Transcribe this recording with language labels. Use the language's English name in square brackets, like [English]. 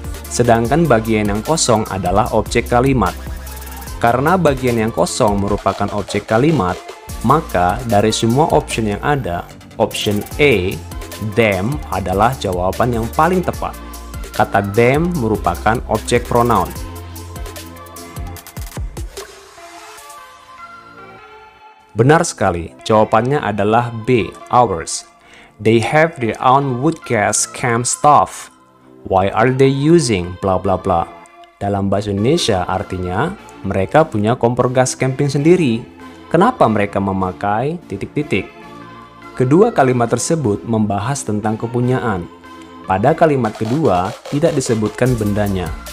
[Indonesian] Sedangkan bagian yang kosong adalah objek kalimat. Karena bagian yang kosong merupakan objek kalimat, maka dari semua option yang ada, option A, them, adalah jawaban yang paling tepat. Kata them merupakan objek pronoun. Benar sekali, jawabannya adalah B, ours. [English] They have their own wood gas camp stuff. Why are they using bla bla bla? [Indonesian] Dalam bahasa Indonesia artinya, mereka punya kompor gas camping sendiri. Kenapa mereka memakai ... Kedua kalimat tersebut membahas tentang kepunyaan. Pada kalimat kedua, tidak disebutkan bendanya.